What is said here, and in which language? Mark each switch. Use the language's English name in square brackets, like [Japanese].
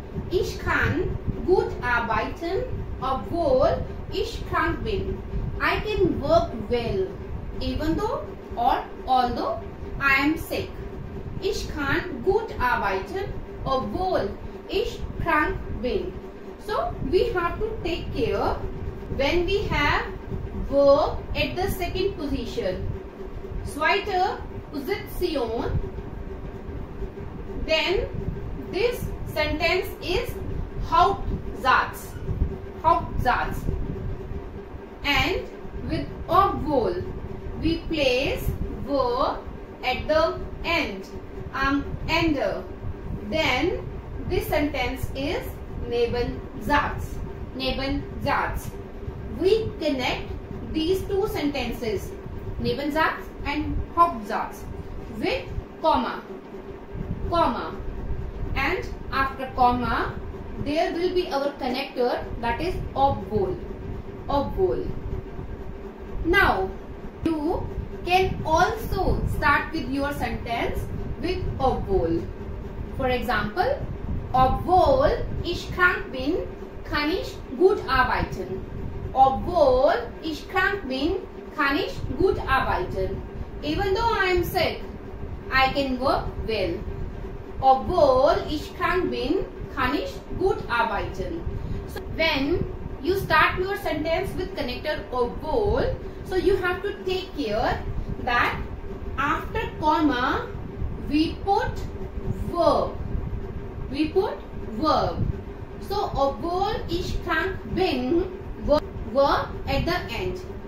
[German] Ich kann gut arbeiten, obwohl ich krank bin. [English] I can work well, even though or although I am sick. [German] Ich kann gut arbeiten, obwohl ich krank bin. [English] So, we have to take care when we have verb at the second position. [German] Zweite Position [English] then this sentence is Hauptsatz. Hauptsatz. And with obwohl, we place verb at the end. Ende. Then this sentence is Nebensatz. Nebensatz. We connect these two sentences, Nebensatz and Hauptsatz, with comma. Comma. And after comma, there will be our connector, that is Obwohl. Obwohl. Now, you can also start with your sentence with Obwohl. For example, [German] Obwohl ich krank bin, kann ich gut arbeiten. Obwohl ich krank bin, kann ich gut arbeiten. [English] Even though I am sick, I can work well. [German] Obwohl ich krank bin, kann ich gut arbeiten. [English] So, when you start your sentence with connector obwohl, so you have to take care that after comma, we put verb. We put verb. So, obwohl ich krank bin, verb at the end.